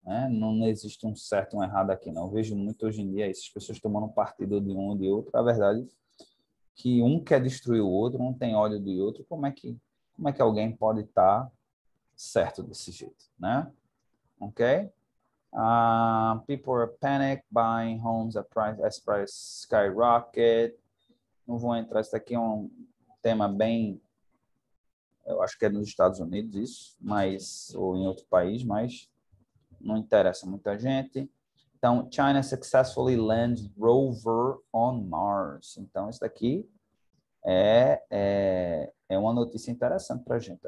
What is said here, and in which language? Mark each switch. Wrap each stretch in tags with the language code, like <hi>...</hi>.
<pt>Não existe um certo ou um errado aqui, não. Eu vejo muito hoje em dia essas pessoas tomando partido de um ou de outro. A verdade é que um quer destruir o outro, um tem ódio do outro. Como é que alguém pode estar certo desse jeito, né? Ok?</pt> <en>People are panic buying homes as price skyrocket.</en> <pt>Não vou entrar, isso aqui é um tema bem, eu acho que é nos Estados Unidos isso, mas ou em outro país, mas não interessa muita gente. Então,</pt> <en>China successfully lands rover on Mars.</en> <pt>Então, isso daqui é uma notícia interessante para a gente.</pt>